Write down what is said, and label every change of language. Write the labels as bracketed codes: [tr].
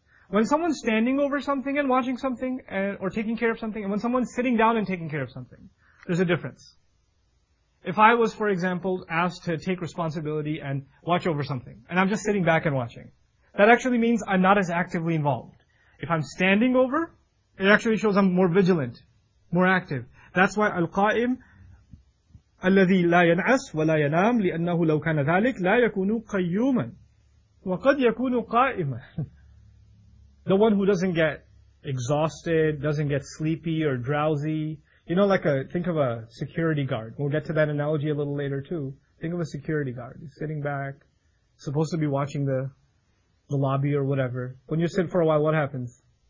[en] When someone's standing over something and watching something, or taking care of something, and when someone's sitting down and taking care of something, there's a difference. If I was, for example, asked to take responsibility and watch over something, and I'm just sitting back and watching, that actually means I'm not as actively involved. If I'm standing over, it actually shows I'm more vigilant, more active. That's why al-qa'im, [ar] الَّذِي لَا يَنْعَسْ وَلَا يَنَامْ لِأَنَّهُ لَوْ كَانَ ذَلِكَ لَا يَكُونُ قَيُّومًا وَقَدْ يَكُونُ قَائِمًا. [en] The one who doesn't get exhausted, doesn't get sleepy or drowsy. You know, think of a security guard. We'll get to that analogy a little later too. Think of a security guard. He's sitting back, supposed to be watching the lobby or whatever. When you sit for a while, what happens?